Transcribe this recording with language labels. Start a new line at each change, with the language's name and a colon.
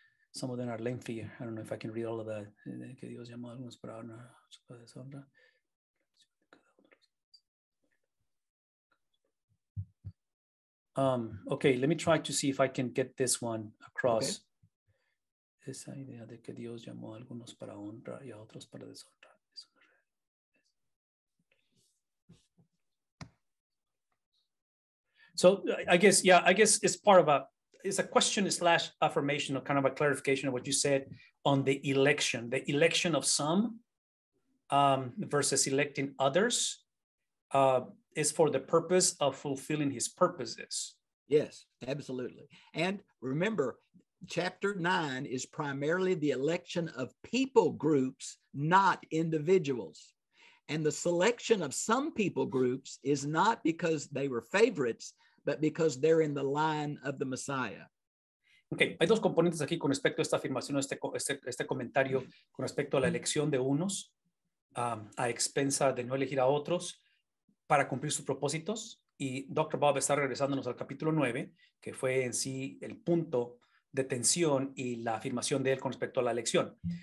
English: Some of them are lengthy. I don't know if I can read all of that.
Spanish: Que Dios llamó a algunos para una sopa de deshonra.
English: Okay, let me try to see if I can get this one across. Okay.
Spanish: Esa idea de que Dios llamó a algunos para honra y a otros para deshonra.
English: So I guess, yeah, I guess it's part of a, it's a question slash affirmation or kind of a clarification of what you said on the election of some versus electing others. Is for the purpose of fulfilling his purposes. Yes, absolutely. And remember, chapter 9 is primarily the election of people groups, not individuals. And the selection of some people groups is not because they were favorites, but because they're in the line of the Messiah.
Spanish: Okay, hay dos componentes aquí con respecto a esta afirmación, este comentario con respecto a la elección de unos a expensa de no elegir a otros para cumplir sus propósitos, y Dr. Bob está regresándonos al capítulo 9, que fue en sí el punto de tensión y la afirmación de él con respecto a la elección.